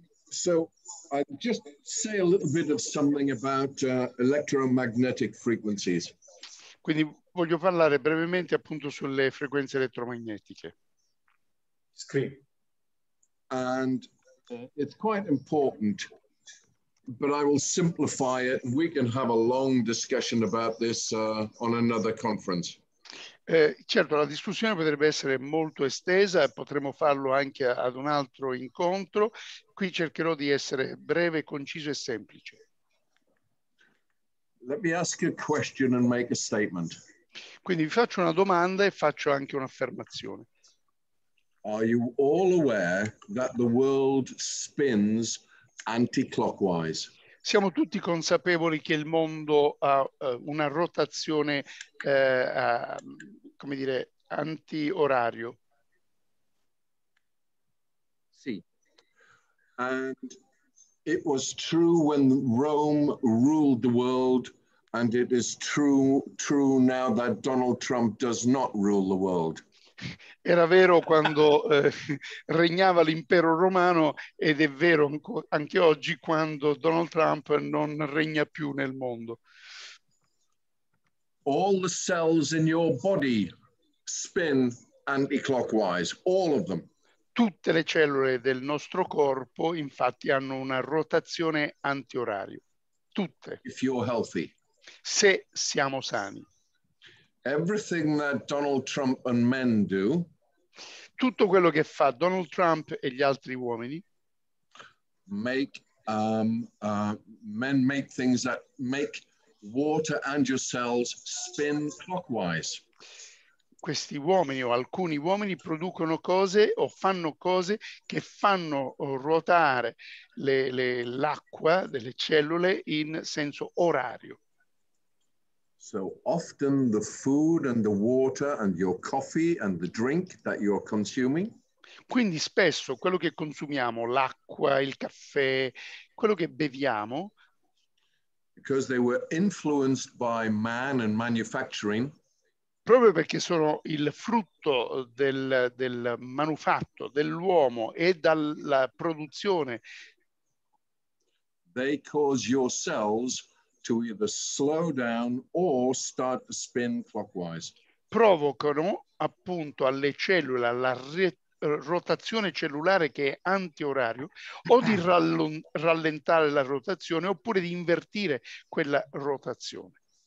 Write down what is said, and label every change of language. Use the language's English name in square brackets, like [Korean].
[English] So I just say a little bit of something about electromagnetic frequencies. [Italian] Quindi voglio parlare brevemente appunto sulle frequenze elettromagnetiche. [English] Screen. And it's quite important, but I will simplify it. We can have a long discussion about this on another conference. [Italian] Certo, la discussione potrebbe essere molto estesa e potremmo farlo anche ad un altro incontro. Qui cercherò di essere breve, conciso e semplice. [English] Let me ask a question and make a statement. [Italian] Quindi vi faccio una domanda e faccio anche un'affermazione. [English] Are you all aware that the world spins anti-clockwise? [Italian] Siamo tutti consapevoli che il mondo ha una rotazione, come dire, anti-orario? Sì. [English] And it was true when Rome ruled the world, and it is true now that Donald Trump does not rule the world. [Italian] Era vero quando regnava l'impero romano ed è vero anche oggi quando Donald Trump non regna più nel mondo. [English] All the cells in your body spin anti-clockwise, all of them. [Italian] Tutte le cellule del nostro corpo infatti hanno una rotazione anti-orario, tutte. [English] If you're healthy. [Italian] Se siamo sani. [English] Everything that Donald Trump and men do, [Italian] tutto quello che fa Donald Trump e gli altri uomini, [English] men make things that make water and your cells spin clockwise. [Italian] Questi uomini o alcuni uomini producono cose o fanno cose che fanno ruotare l'acqua delle cellule in senso orario. [English] So often the food and the water and your coffee and the drink that you're consuming. [Italian] Quindi spesso quello che consumiamo, l'acqua, il caffè, quello che beviamo. [English] Because they were influenced by man and manufacturing. [Italian] Proprio perché sono il frutto del manufatto, dell'uomo e dalla produzione. [English] They cause your cells to either slow down or start to spin clockwise. [Italian] Provocano appunto alle cellule la rotazione cellulare che è antiorario o di rallentare la rotazione oppure di invertire quella rotazione.